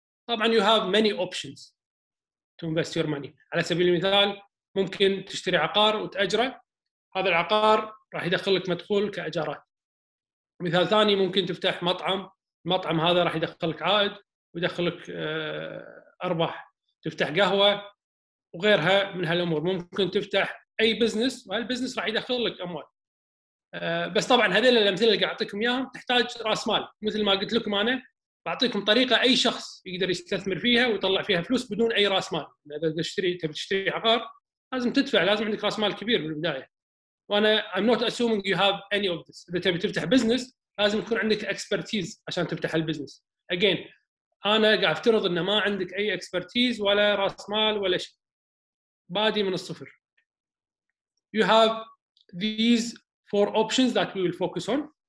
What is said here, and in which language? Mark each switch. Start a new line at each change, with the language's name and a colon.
Arabic: طبعاً
English: you have many options to invest your money.
Arabic: على سبيل المثال ممكن تشتري عقار وتأجره، هذا العقار راح يدخل لك مدخول كأجارات. مثال ثاني ممكن تفتح مطعم، المطعم هذا راح يدخل لك عائد ويدخل لك أرباح. تفتح قهوة وغيرها من هالأمور. ممكن تفتح أي بزنس وهالبزنس راح يدخل لك أموال. بس طبعاً هذه الأمثلة اللي أعطيكم إياها تحتاج رأس مال. مثل ما قلت لكم أنا بعطيكم طريقة أي شخص يقدر يستثمر فيها ويطلع فيها فلوس بدون أي رأس مال. إذا تشتري عقار لازم تدفع، لازم عندك رأس مال كبير من البداية. وأنا
English: I'm not assuming you have any of this.
Arabic: إذا تبي تفتح بزنس لازم يكون عندك expertise عشان تفتح البزنس. Again أنا قاعد أفترض إن ما عندك أي expertise ولا رأس مال ولا شيء. بادي من الصفر.
English: You have these four options that we will focus on.